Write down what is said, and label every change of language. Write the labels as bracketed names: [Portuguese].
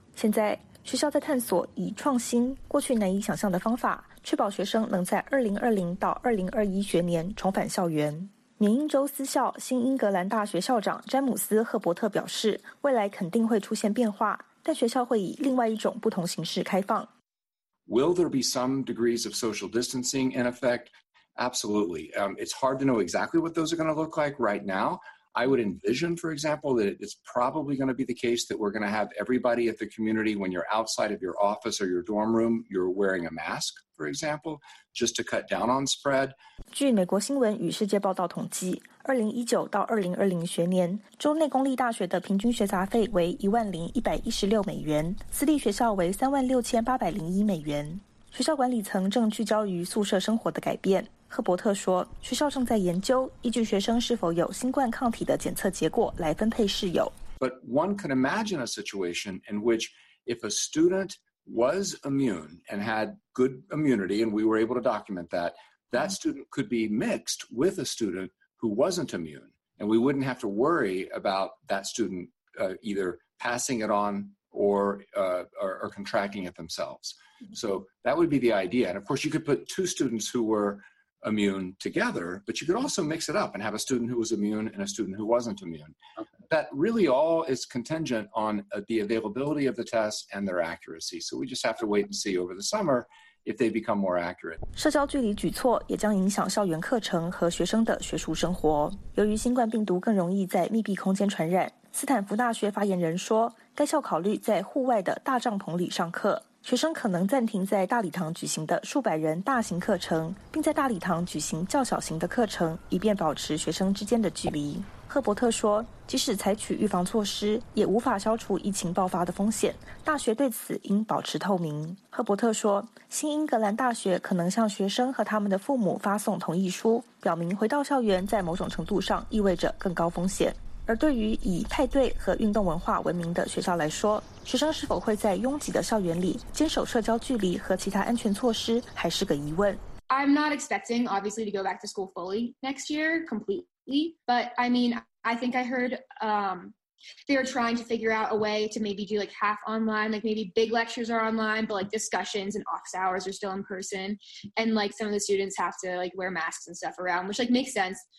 [Chinese] 现在学校在探索以创新过去难以想象的方法，确保学生能在2020到2021学年重返校园。缅因州私校新英格兰大学校长詹姆斯·赫伯特表示，未来肯定会出现变化，但学校会以另外一种不同形式开放。 [English] Will there be some degrees of social distancing in effect? Absolutely. It's hard to know exactly what those are going to look like right now. I would envision, for example, that it's probably going to be the case that we're going to have everybody at the community, when you're outside of your office or your dorm room, you're wearing a mask, for example, just to cut down on spread. [Chinese] 据美国新闻与世界报道统计，2019到2020学年，州内公立大学的平均学杂费为10,116美元，私立学校为36,801美元。学校管理层正聚焦于宿舍生活的改变。赫伯特说，学校正在研究依据学生是否有新冠抗体的检测结果来分配室友。 [English] But one can imagine a situation in which if a student was immune and had good immunity, and we were able to document that, that student could be mixed with a student who wasn't immune, and we wouldn't have to worry about that student either passing it on or contracting it themselves. So that would be the idea. And of course, you could put two students who were immune together, but you could also mix it up and have a student who was immune and a student who wasn't immune. Okay. That really all is contingent on the availability of the tests and their accuracy. So we just have to wait and see over the summer if they become more accurate. [Chinese] 社交距离举措也将影响校园课程和学生的学术生活。由于新冠病毒更容易在密闭空间传染，斯坦福大学发言人说，该校考虑在户外的大帐篷里上课。学生可能暂停在大礼堂举行的数百人大型课程，并在大礼堂举行较小型的课程，以便保持学生之间的距离。赫伯特说，即使采取预防措施，也无法消除疫情爆发的风险，大学对此应保持透明。赫伯特说，新英格兰大学可能向学生和他们的父母发送同意书，表明回到校园在某种程度上意味着更高风险。而对于以派对和运动文化闻名的学校来说，学生是否会在拥挤的校园里坚守社交距离和其他安全措施还是个疑问。 [English] I'm not expecting obviously to go back to school fully next year completely, but I mean, I think I heard they're trying to figure out a way to maybe do like half online, like maybe big lectures are online, but like discussions and office hours are still in person. And like some of the students have to like wear masks and stuff around, which like makes sense.